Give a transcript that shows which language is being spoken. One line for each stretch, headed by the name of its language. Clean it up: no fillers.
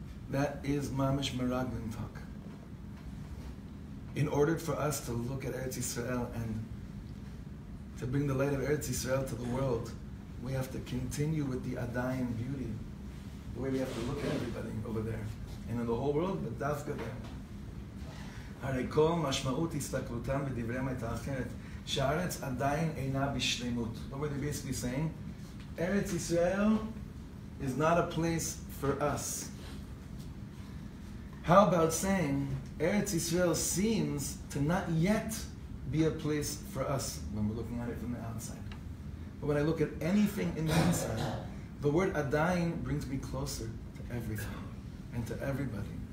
English: That is mamish meraglim talk. In order for us to look at Eretz Yisrael and to bring the light of Eretz Yisrael to the world, we have to continue with the adayim beauty, the way we have to look at everybody over there, and in the whole world, but dafka there.
Hebrew: הרי כל משמעות הסתכלותם בדבריהם הייתה אחרת, שהארץ עדיין אינה בשלמות.
English: What were they basically saying? Eretz Yisrael is not a place for us. How about saying, Eretz Yisrael seems to not yet be a place for us when we're looking at it from the outside. But when I look at anything in the inside, the word עדיין brings me closer to everything and to everybody.